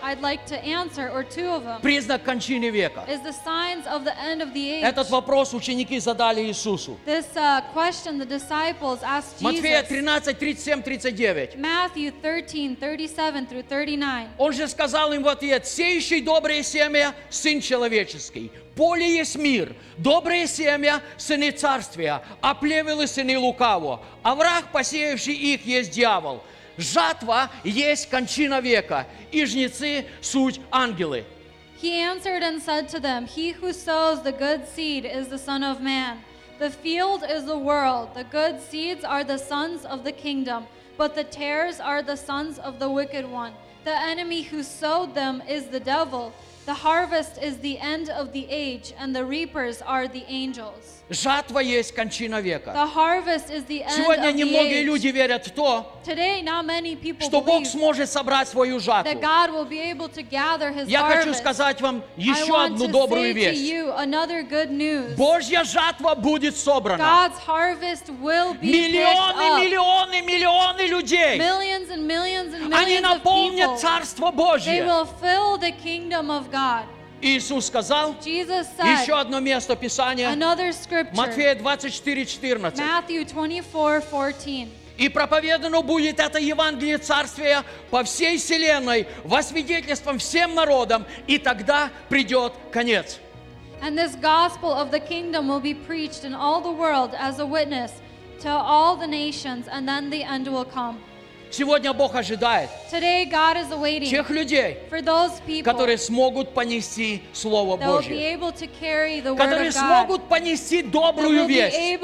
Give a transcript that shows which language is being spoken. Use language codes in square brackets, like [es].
[en] I'd like to answer, or two of them. [ru] Признак кончины века. [en] Is the signs of the end of the age. [ru] Этот вопрос ученики задали Иисусу. [en] This question the disciples asked Jesus. [ru] Матфея 13:37-39. [en] Matthew 13:37-39. [ru] Он же сказал им в ответ: сеющий доброе семя сын человеческий. Поле есть мир, доброе семя сыны царствия, а плевелы сыны лукаво. А враг, посеявший их, есть дьявол. Жатва есть кончина века, и жнецы суть ангелы. [en] He answered and said to them, he who sows the good seed is the son of man. The field is the world. The good seeds are the sons of the kingdom, but the tares are the sons of the wicked one. The enemy who sowed them is the devil. The harvest is the end of the age, and the reapers are the angels. [ru] Жатва есть кончина века. [en] The harvest is the end [ru] сегодня [en] of [ru] немногие [en] the age. [ru] Люди верят в то, [en] today, not many people [ru] что [en] believe [ru] Бог сможет собрать свою жатву. [en] That God will be able to gather his [ru] я [en] harvest. [ru] Хочу сказать вам еще одну добрую вещь. [en] To you another good news. [ru] Божья жатва будет собрана. [en] God's harvest will be [ru] миллионы, миллионы, миллионы людей [en] millions and millions and millions [ru] они наполнят Царство Божье. [en] They will fill the kingdom of God. [ru] Иисус сказал [en] Jesus said, [ru] еще одно место Писания Матфея 24:14 и проповедано будет это Евангелие Царствия по всей вселенной во свидетельством всем народам и тогда придет конец. [en] And this gospel of the kingdom will be preached in all the world as a witness to all the nations and then the end will come. [ru] Сегодня Бог ожидает тех людей, [en] people, [ru] которые смогут понести Слово Божье, которые смогут понести добрую весть.